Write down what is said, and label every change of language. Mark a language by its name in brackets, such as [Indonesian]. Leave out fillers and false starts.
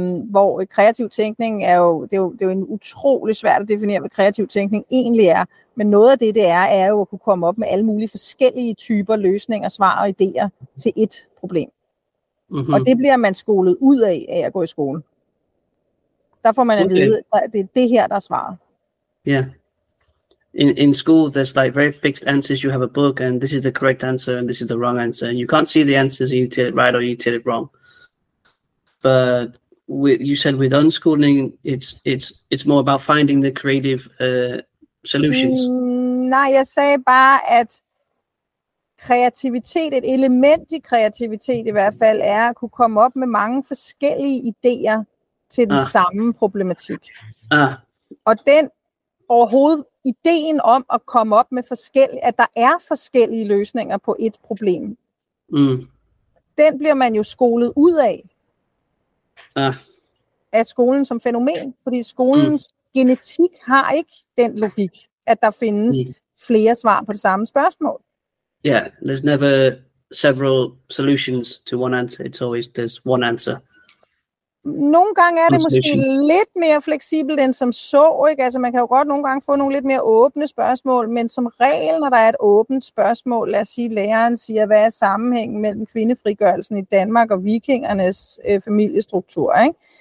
[Danish] Hvor kreativ tænkning er jo en utrolig svært at definere, hvad kreativ tænkning egentlig er. Men noget af det er jo at kunne komme op med alle mulige forskellige typer løsninger, svar og idéer til et problem. Mm-hmm. Og det bliver man skolet ud af at gå i skole. Der får man at vide, at det er det her, der er svaret. Ja. Yeah. [English] In school, there's like very fixed answers. You have a book, and this is the correct answer, and this is the wrong answer. And you can't see the answers, and you tell it right or you tell it wrong. But you said with unschooling, it's more about finding the creative solutions. [Danish] Nej, jeg sagde bare, at kreativitet, et element i kreativitet i hvert fald, er at kunne komme op med mange forskellige idéer til den samme problematik. Ah. Og den overhovedet ideen om at komme op med forskellige, at der er forskellige løsninger på et problem. Mm. Den bliver man jo skolet ud af. Ah. Af skolen som fænomen, fordi skolens genetik har ikke den logik, at der findes flere svar på det samme spørgsmål. [English] Yeah, there's never several solutions to one answer. It's always there's one answer. [Danish] Nogle gange er det måske lidt mere fleksibelt end som så, ikke? Altså man kan jo godt nogle gange få nogle lidt mere åbne spørgsmål, men som regel, når der er et åbent spørgsmål, lad os sige, læreren siger, hvad er sammenhængen mellem kvindefrigørelsen i Danmark og vikingernes familiestruktur, ikke?